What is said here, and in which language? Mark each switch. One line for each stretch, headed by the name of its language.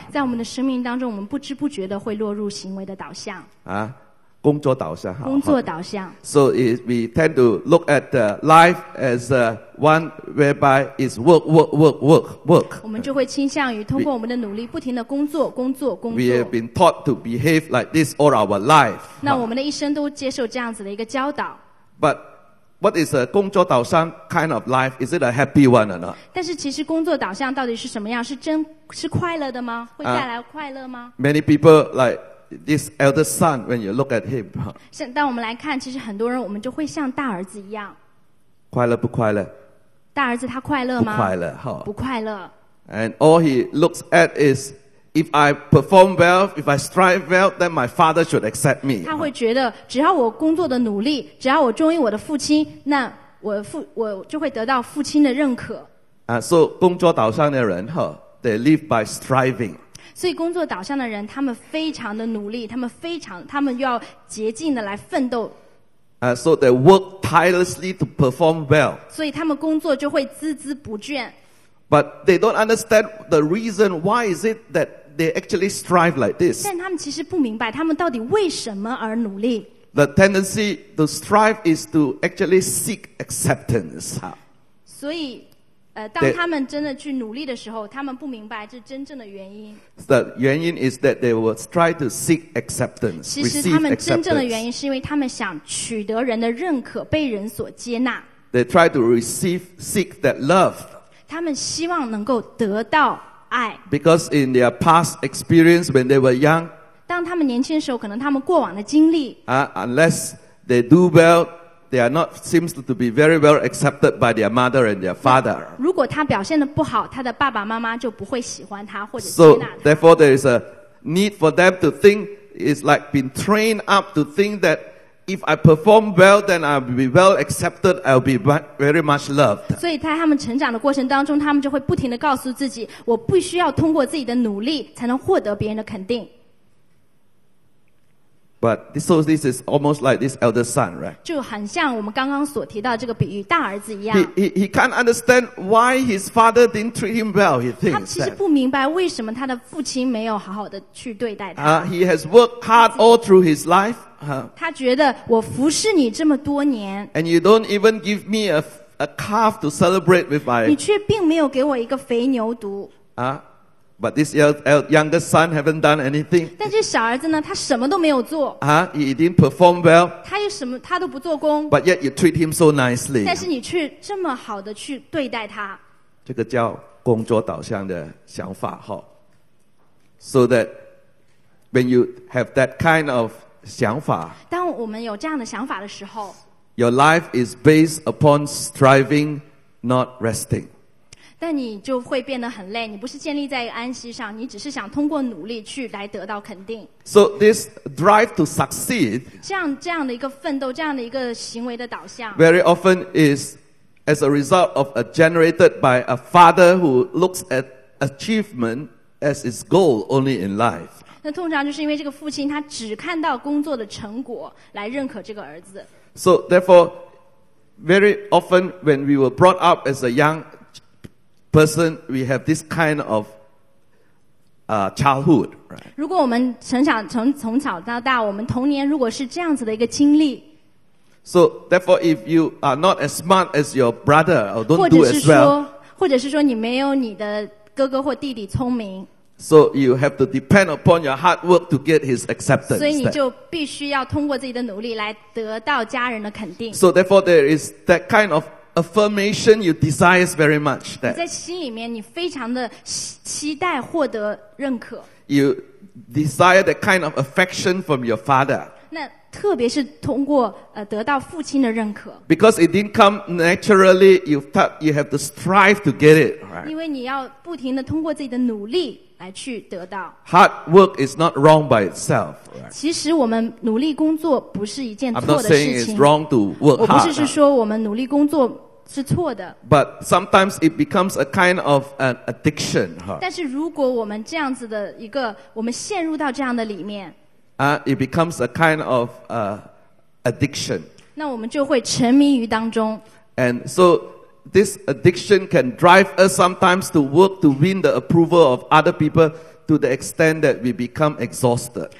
Chinese: 在我们的生命当中，我们不知不觉的会落入行为的导向。工作导向，工作导向。
English: So we tend to look at life as one whereby it's work, work, work, work, work.
Chinese: 我们就会倾向于通过我们的努力，不停的工作，工作，工作。
English: We have been taught to behave like this all our life.
Chinese: 那我们的一生都接受这样子的一个教导。
English: But what is a
Chinese: 工作导向
English: kind of life? Is it a happy one or not?
Chinese: 但是其实工作导向到底是什么样？是快乐的吗？会带来快乐吗？
English: Many people like this eldest son, when you look at him,
Chinese: 像当我们来看，其实很多人我们就会像大儿子一样，快乐不快乐？大儿子他快乐吗？不快乐，不快乐。
English: And all he looks at is, if I perform well, if I strive well, then my father should accept me.
Chinese: 他会觉得只要我工作的努力，只要我忠于我的父亲，那我就会得到父亲的认可。
English: So
Chinese: 工作导向的人
English: they live by striving.
Chinese: 所以工作导向的人，他们非常的努力，他们要竭尽的来奋斗。
English: So they work tirelessly to perform well.
Chinese: 所以他们工作就会孜孜不倦。
English: But they don't understand the reason why is it that they actually strive like this.
Chinese: 但他们其实不明白，他们到底为什么而努力。
English: The tendency to strive is to actually seek acceptance.
Chinese: 所以当他们真的去努力的时候，他们不明白这真正的原因。
English: The
Chinese: 原因
English: is that they will try to seek acceptance.
Chinese: 其实他们真正的原因是因为他们想取得人的认可，被人所接纳。
English: They try to seek that love.
Chinese: 他们希望能够得到爱。
English: Because in their past experience when they were young,
Chinese: 当他们年轻的时候，可能他们过往的经历。
English: Unless they do well,They are not seems to be very well accepted by their mother and their father. 如果他表现得不好，他的爸爸妈妈就不会喜欢他或者接纳他。 So therefore, there is a need for them to think it's like being trained up to think that if I perform well, then I'll be well accepted. I'll be very much loved.
Chinese: 所以在他们成长的过程当中，他们就会不停地告诉自己，我必须要通过自己的努力才能获得别人的肯定。
English: But so this is almost like this elder son, right?
Chinese: 就很像我们刚刚所提到这个比喻，大儿子一样。
English: He can't understand why his father didn't treat him well. He thinks
Chinese: 他其实不明白为什么他的父亲没有好好的去对待他。
English: He has worked hard all through his life.
Chinese: 他觉得我服侍你这么多年。
English: And you don't even give me a calf to celebrate with my.
Chinese: 你却并没有给我一个肥牛犊。
English: But this younger son haven't done anything.
Chinese: 但这小儿子呢，他什么都没有做。
English: He didn't perform well.
Chinese: 他又什么，他都不做工。
English: But yet you treat him so nicely.
Chinese: 但是你却这么好的去对待他。这个叫工作导向的想法哈。
English: So that when you have that kind of
Chinese: 想法，当我们有这样的想法的时候
English: ，Your life is based upon striving, not resting.
Chinese: 但你就会变得很累，你不是建立在安息上，你只是想通过努力去来得到肯定。
English: So this drive to succeed,
Chinese: 这样的一个奋斗，这样的一个行为的导向
English: ,very often is as a result of a generated by a father who looks at achievement as his goal only in life.
Chinese: 那通常就是因为这个父亲他只看到工作的成果来认可这个儿子。
English: So therefore, Very often when we were brought up as a young person, we have this kind of childhood, right?
Chinese: 如果我们成长从小到大，我们童年如果是这样子的一个经历。
English: So therefore, if you are not as smart as your brother, or don't do as well,
Chinese: 或者是说你没有你的哥哥或弟弟聪明。
English: So you have to depend upon your hard work to get his acceptance.
Chinese: 所以你就必须要通过自己的努力来得到家人的肯定。
English: So therefore, there is that kind of affirmation you desire very much.
Chinese: 你在心里面，你非常的期待获得认可。
English: You desire that kind of affection from your father.
Chinese: 那特别是通过得到父亲的认可。
English: Because it didn't come naturally, you have to strive to get it.
Chinese: 因为你要不停的通过自己的努力。来去得到。
English: Hard work is not wrong by itself.
Chinese: 其实我们努力工作不是一件错的事情。
English: I'm not saying it's wrong to work hard.
Chinese: 我不是说我们努力工作是错的。
English: But sometimes it becomes a kind of an addiction.
Chinese: 但是如果我们这样子的一个，我们陷入到这样的里面。
English: It becomes a kind of addiction.
Chinese: 那我们就会沉迷于当中。
English: And so,this addiction can drive us sometimes to work to win the approval of other people to the extent that we become exhausted.